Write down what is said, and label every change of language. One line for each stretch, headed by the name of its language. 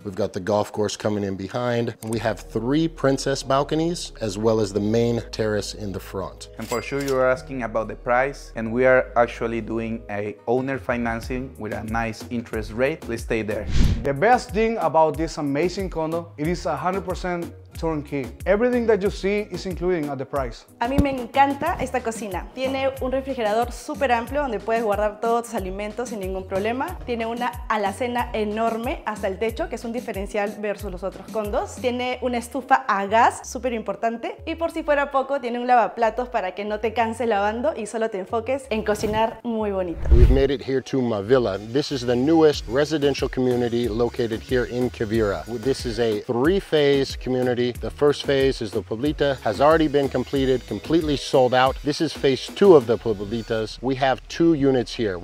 English: We've got the golf course coming in behind, and we have 3 princess balconies, as well as the main terrace in the front. And for sure you're asking about the price, and we are actually doing a owner financing with a nice interest rate. Please stay there. The best thing about this amazing condo, it is 100% turnkey. Everything that you see is included at the price.
Spanish: A mí me encanta esta cocina. Tiene un refrigerador súper amplio donde puedes guardar todos tus alimentos sin ningún problema. Tiene una alacena enorme hasta el techo, que es un diferencial versus los otros condos. Tiene una estufa a gas, súper importante. Y por si fuera poco, tiene un lavaplatos para que no te canses lavando y solo te enfoques en cocinar muy bonito.
English: We've made it here to my villa. This is the newest residential community located here in Quivira. This is a 3-phase community. The first phase is the Poblita, has already been completed, completely sold out. This is phase 2 of the Poblitas. We have 2 units here.